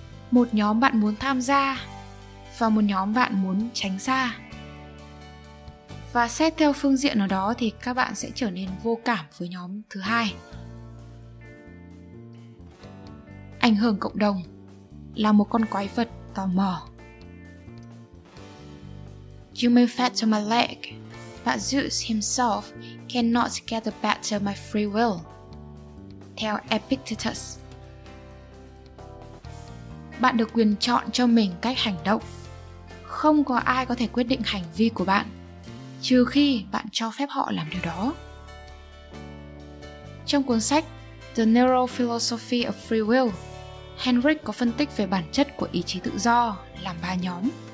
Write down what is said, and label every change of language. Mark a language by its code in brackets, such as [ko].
[vi] Một nhóm bạn muốn tham gia và một nhóm bạn muốn tránh xa. Và xét theo phương diện nào đó thì các bạn sẽ trở nên vô cảm với nhóm thứ hai. Ảnh hưởng cộng đồng là một con quái vật tò mò. [en] You may fetter my leg, but Zeus himself cannot get the better my free will. [vi] Theo Epictetus, bạn được quyền chọn cho mình cách hành động. Không có ai có thể quyết định hành vi của bạn, trừ khi bạn cho phép họ làm điều đó. Trong cuốn sách The Neurophilosophy of Free Will, Henrik có phân tích về bản chất của ý chí tự do làm ba nhóm.